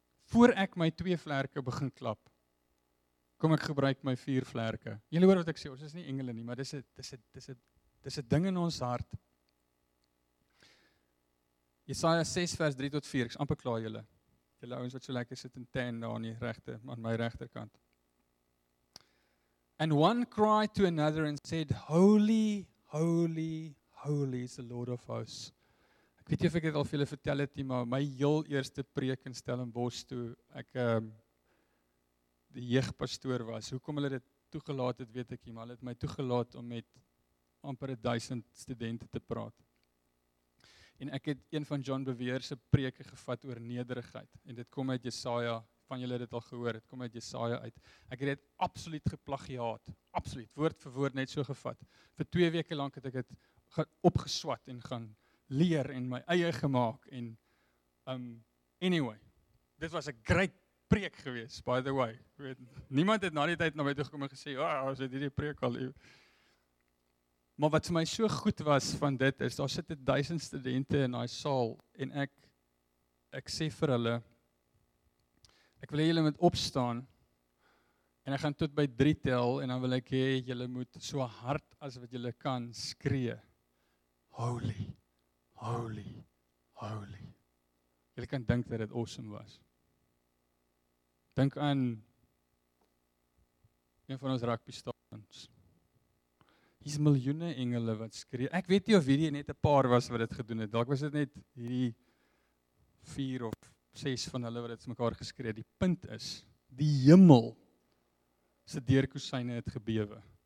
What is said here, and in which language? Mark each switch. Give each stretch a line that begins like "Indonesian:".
Afrikaans: Voor ek my twee vlerke begin klap, kom ek gebruik my vier vlerke. Julle hoor wat ek sê, ons is nie engele nie, maar dis 'n ding in ons hart. Jesaja 6 vers 3 tot 4, ek is amper klaar julle. Julle ouens wat so lekker sit in tan daar aan die regte, aan my regterkant.
English: And one cried to another and said, Holy, holy, holy is the Lord of hosts.
Afrikaans: Ek weet nie of ek dit al vir julle vertel het nie, maar my heel eerste preek in Stellenbosch toe ek die jeugpastoor was, hoekom hulle dit toegelaat het, weet ek nie, maar hulle het my toegelaat om met amper 1000 studente te praat. En ek het een van John Bevere se preke gevat oor nederigheid. En dit kom uit Jesaja, van julle het dit al gehoor, dit kom uit Jesaja uit. Ek het dit absoluut geplagiaat, absoluut, woord vir woord net so gevat. Vir 2 weke lank het ek dit opgeswat en gaan leer en my eie gemaak. En anyway, dit was 'n great preek gewees,
English: by the way.
Afrikaans: Weet, niemand het na die tyd na my toe gekom en gesê, oh, ons het hierdie preek al lief. Maar wat vir my so goed was van dit is, daar sit 1000 studente in daai saal en ek sê vir hulle, ek wil hê julle moet opstaan en ek gaan tot by 3 tel en dan wil ek hê julle moet so hard as wat julle kan skree.
English: Holy, holy, holy.
Afrikaans: Julle kan dink dat dit awesome was. Dink aan een van ons rugbystadions. Hier is miljoene engele wat skree. Ek weet nie of hierdie net 'n paar was wat dit gedoen het. Dalk was dit net hierdie 4 of 6 van hulle wat dit mekaar geskree het. Die punt is, die hemel se deurkusyne het gebewe.